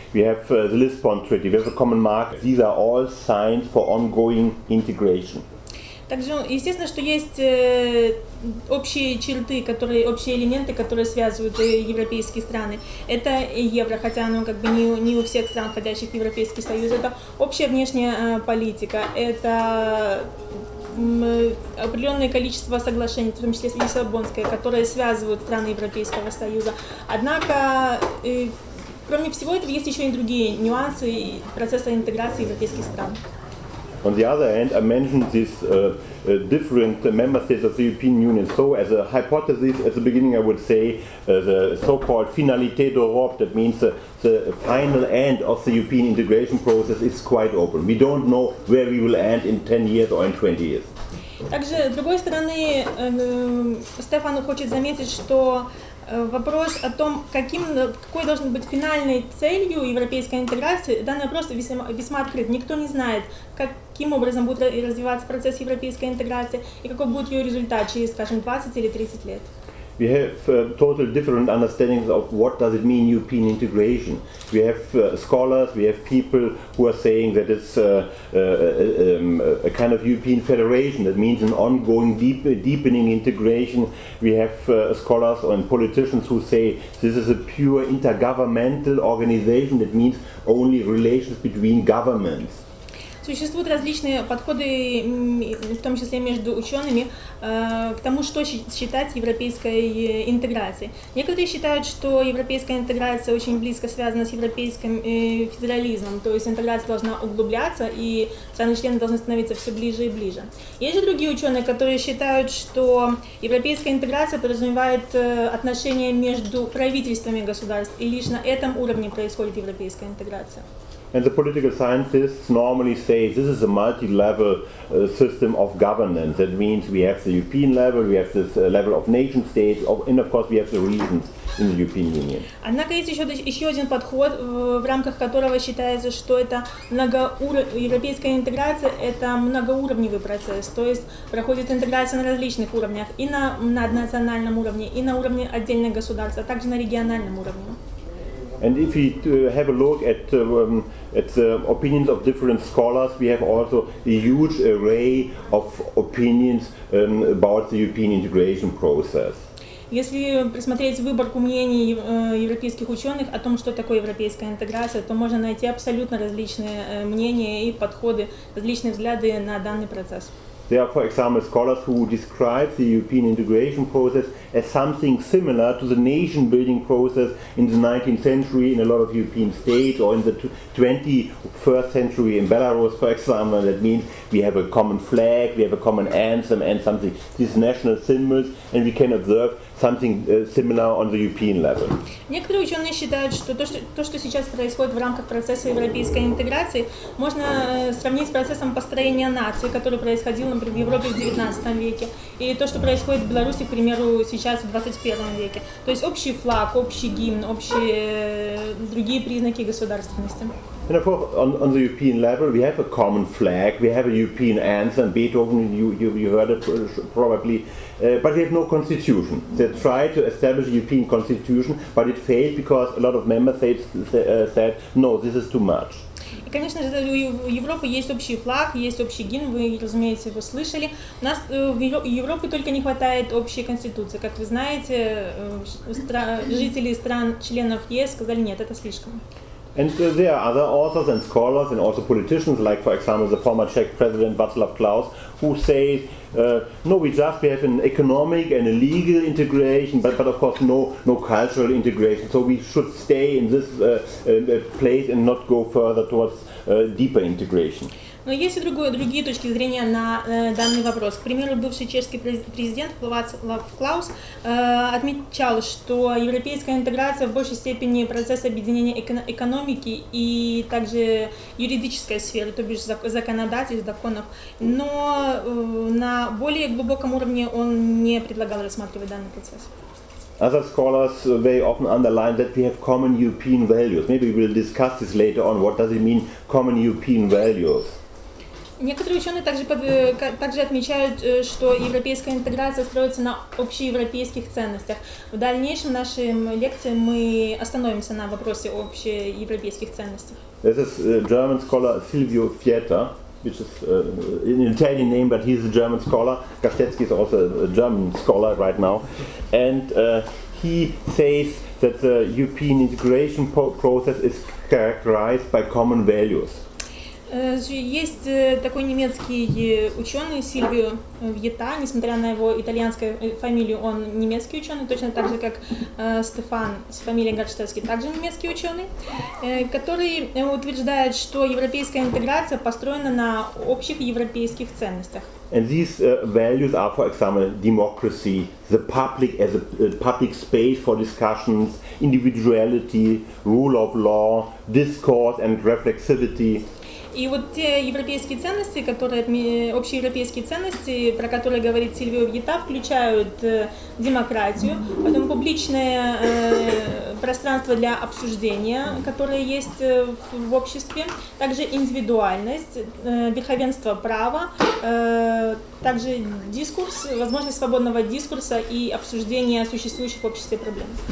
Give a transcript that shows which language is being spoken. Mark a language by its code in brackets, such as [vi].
[en] We have the Lisbon Treaty, we have a common market. These are all signs for ongoing integration. [ru] Также, естественно, что есть общие черты, общие элементы, которые связывают европейские страны. Это евро, хотя оно как бы не у всех стран, входящих в Европейский Союз. Это общая внешняя политика, это определенное количество соглашений, в том числе Лиссабонское, которые связывают страны Европейского Союза. Однако, кроме всего этого, есть еще и другие нюансы процесса интеграции европейских стран. [en] On the other hand, I mentioned this different member states of the European Union. So as a hypothesis, at the beginning I would say the so-called finalité d'Europe, that means the final end of the European integration process is quite open. We don't know where we will end in 10 years or in 20 years. [ru] Также, с другой стороны, Стефан хочет заметить, что вопрос о том, какой должна быть финальной целью европейской интеграции, данный вопрос весьма открыт. Никто не знает, каким образом будет развиваться процесс европейской интеграции и какой будет ее результат через, скажем, 20 или 30 лет. [en] We have totally different understandings of what does it mean European integration. We have scholars, we have people who are saying that it's a kind of European federation, that means an ongoing deepening integration. We have scholars and politicians who say this is a pure intergovernmental organization, that means only relations between governments. [ru] Существуют различные подходы, в том числе между учеными, к тому, что считать европейской интеграцией. Некоторые считают, что европейская интеграция очень близко связана с европейским федерализмом, то есть интеграция должна углубляться, и страны-члены должны становиться все ближе и ближе. Есть же другие ученые, которые считают, что европейская интеграция подразумевает отношения между правительствами государств, и лишь на этом уровне происходит европейская интеграция. [en] And the political scientists normally say this is a multi-level system of governance. That means we have the European level, we have this level of nation states, and of course we have the regions in the European Union. [ru] Однако есть еще один подход, в рамках которого считается, что это европейская интеграция – это многоуровневый процесс. То есть проходит интеграция на различных уровнях, и на национальном уровне, и на уровне отдельных государств, а также на региональном уровне. [en] And if we have a look at the opinions of different scholars, we have also a huge array of opinions about the European integration process. [ru] Если присмотреть выборку мнений европейских ученых о том, что такое европейская интеграция, то можно найти абсолютно различные мнения и подходы, различные взгляды на данный процесс. [en] There are, for example, scholars who describe the European integration process as something similar to the nation-building process in the 19th century in a lot of European states, or in the 21st century in Belarus, for example. That means we have a common flag, we have a common anthem and something, these national symbols, and we can observe something similar on the European level. [ru] Некоторые ученые считают, что то, что сейчас происходит в рамках процесса европейской интеграции, можно сравнить с процессом построения нации, который происходил, например, в Европе в 19 веке, и то, что происходит в Беларуси, к примеру, сейчас в 21 веке. То есть общий флаг, общий гимн, общие другие признаки государственности. [en] And of course, on the European level, we have a common flag, we have a European anthem, Beethoven, you heard it probably, but we have no constitution. They tried to establish a European constitution, but it failed because a lot of member states said, no, this is too much. [ru] И, конечно же, у Европы есть общий флаг, есть общий гимн, вы, разумеется, его слышали. У нас в Европе только не хватает общей конституции. Как вы знаете, жители стран, членов ЕС сказали, нет, это слишком. [en] And there are other authors and scholars and also politicians, like, for example, the former Czech president Václav Klaus, who say, we have an economic and a legal integration, but of course no cultural integration. So we should stay in this place and not go further towards deeper integration. [ru] Но есть и другие точки зрения на данный вопрос. К примеру, бывший чешский президент Václav Klaus отмечал, что европейская интеграция в большей степени процесс объединения экономики и также юридической сферы, то бишь законодательств, законов. Но на более глубоком уровне он не предлагал рассматривать данный процесс. [en] Other scholars very often underline that we have common European values. Maybe we'll discuss this later on. What does it mean, common European values? [ru] Некоторые ученые также отмечают, что европейская интеграция строится на общеевропейских ценностях. В дальнейшем в нашей лекции мы остановимся на вопросе общеевропейских ценностей. [en] This is a German scholar Silvio Fietta, which is an Italian name, but he's a German scholar. Kaštetsky is also a German scholar right now. And he says that the European integration process is characterized by common values. [ru] Есть такой немецкий ученый Сильвио Вьетта, несмотря на его итальянскую фамилию, он немецкий ученый, точно так же, как Стефан с фамилией Гарштевский, также немецкий ученый, который утверждает, что европейская интеграция построена на общих европейских ценностях. [en] And these values are, for example, democracy, the public as a public space for discussions, individuality, rule of law, discourse and reflexivity. [ru] И вот те европейские ценности, которые общеевропейские ценности, про которые говорит Сильвио Вьетта, включают демократию, потом публичное пространство для обсуждения, которое есть в обществе, также индивидуальность, верховенство права, также дискурс, возможность свободного дискурса и обсуждения существующих в обществе проблем.